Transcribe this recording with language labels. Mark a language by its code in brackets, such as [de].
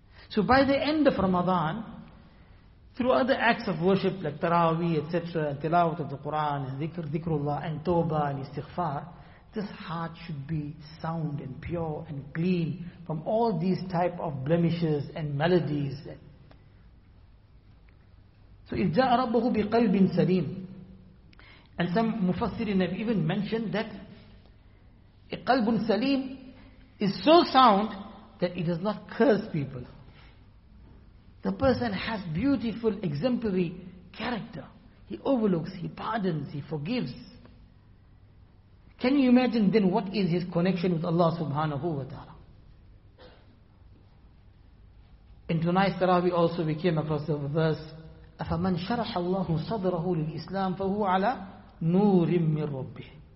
[en] So by the end of Ramadan, through other acts of worship like Taraweeh, etc., and tilawat of the Quran, and dhikrullah, and tawbah, and istighfar, this heart should be sound and pure and clean from all these type of blemishes and maladies. So, [ar] إِذْ جَاءَ رَبَّهُ بِقَلْبٍ سَلِيمٍ. [en] And some mufassirin have even mentioned that [ar] قَلْبٌ سَلِيمٌ [en] is so sound that it does not curse people. The person has beautiful, exemplary character. He overlooks, he pardons, he forgives. Can you imagine then what is his connection with Allah subhanahu wa ta'ala? In tonight's Taraweeh also we came across the verse, [ar] أَفَمَنْ شَرَحَ اللَّهُ صَدْرَهُ لِلْإِسْلَامِ فَهُوَ عَلَى نُورٍ مِّنْ رَبِّهِ.